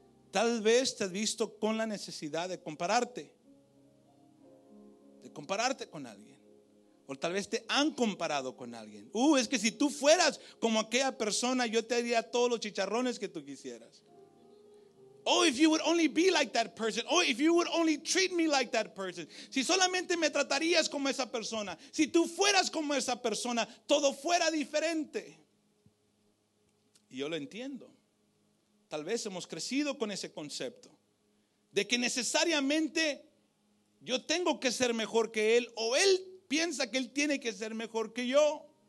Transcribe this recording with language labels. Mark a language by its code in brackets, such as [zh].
[es] Tal vez te has visto con la necesidad de compararte. De compararte con alguien. O tal vez te han comparado con alguien. Es que si tú fueras como aquella persona, yo te haría todos los chicharrones que tú quisieras. [en] Oh, if you would only be like that person. Oh, if you would only treat me like that person. [es] Si solamente me tratarías como esa persona. Si tú fueras como esa persona, todo fuera diferente. Y yo lo entiendo. Tal vez hemos crecido con ese concepto de que necesariamente yo tengo que ser mejor que él, o él piensa que él tiene que ser mejor que yo.